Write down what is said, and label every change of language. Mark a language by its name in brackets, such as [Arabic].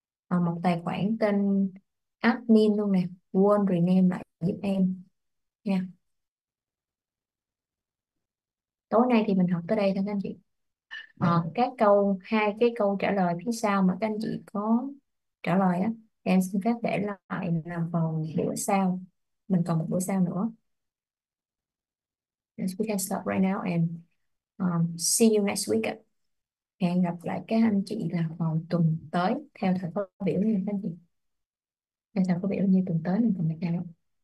[Vietnamese] Một tài khoản tên admin luôn nè, quên rename lại giúp em nha. Tối nay thì mình học tới đây thôi các anh chị. Các câu, hai cái câu trả lời phía sau mà các anh chị có trả lời á, em xin phép để lại làm vào bữa sau. Mình còn một bữa sau nữa. [English] We can stop right now and see you next week. [Vietnamese] Hẹn gặp lại các anh chị là vào tuần tới theo thời khóa biểu như các anh chị. Theo thời khóa biểu như tuần tới mình còn gặp nhau.